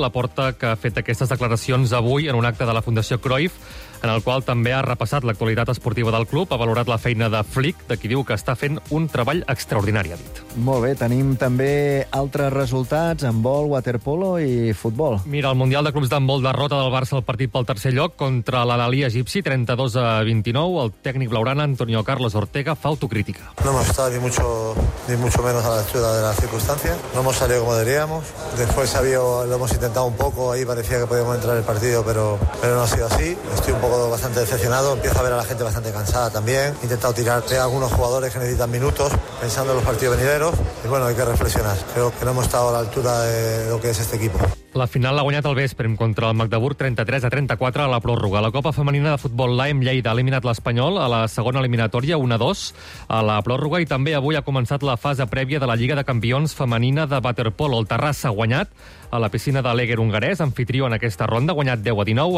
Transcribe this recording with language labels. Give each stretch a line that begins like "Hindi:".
Catalan: Laporta, que ha fet aquestes declaracions avui en un acte de la Fundació Cruyff, en el qual també ha repassat l'actualitat esportiva del club, ha valorat la feina de Flick, de qui diu que està fent un treball extraordinari, ha dit. Molt bé, tenim també altres resultats, handbol, waterpolo i futbol. Mira, el Mundial de Clubs d'Handbol, derrota del Barça al partit pel tercer lloc contra l'Al-Ahly egipci, 32-29. El tècnic blaugrana, Antonio Carlos Ortega, fa autocrítica.
Spanish: No hemos estado ni mucho menos a la altura de las circunstancias. No hemos salido como deberíamos. Después lo hemos intentado un poco, ahí parecía que podíamos entrar el partido, pero no ha sido así. Estoy un poco bastante decepcionado, empiezo a ver a la gente bastante cansada también, he intentado tirar de algunos jugadores que necesitan minutos, pensando en los partidos venideros, y bueno, hay que reflexionar. Creo que no hemos estado a la altura de lo que es este equipo.
Catalan: La final l'ha guanyat el Vesprem contra el Magdeburg 33-34 a la pròrroga. La Copa Femenina de Futbol, l'AM Lleida, ha eliminat l'Espanyol a la segona eliminatòria 1-2 a la pròrroga, i també avui ha començat la fase prèvia de la Lliga de Campions Femenina de Waterpolo. El Terrassa ha guanyat a la piscina de l'Eger hongarès, anfitrió en aquesta ronda, ha guanyat 10-19.